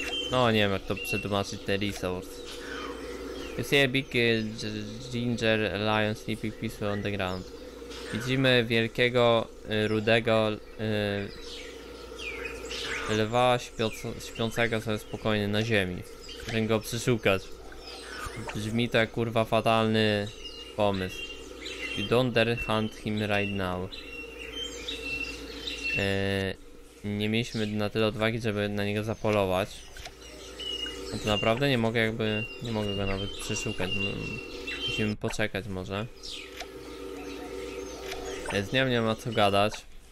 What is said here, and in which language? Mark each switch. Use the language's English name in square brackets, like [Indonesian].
[Polish] No nie wiem, jak to przetłumaczyć, te resource. [English] You see a big ginger lion sleeping peacefully on the ground. [Polish] Widzimy wielkiego, rudego lwa śpiącego sobie spokojnie na ziemi. Żeby go przeszukać. Brzmi to jak kurwa fatalny pomysł. [English] You don't dare hunt him right now. [Polish] Nie mieliśmy na tyle odwagi, żeby na niego zapolować. No to naprawdę nie mogę jakby... Nie mogę go nawet przeszukać. Musimy poczekać może. Z nią nie ma co gadać.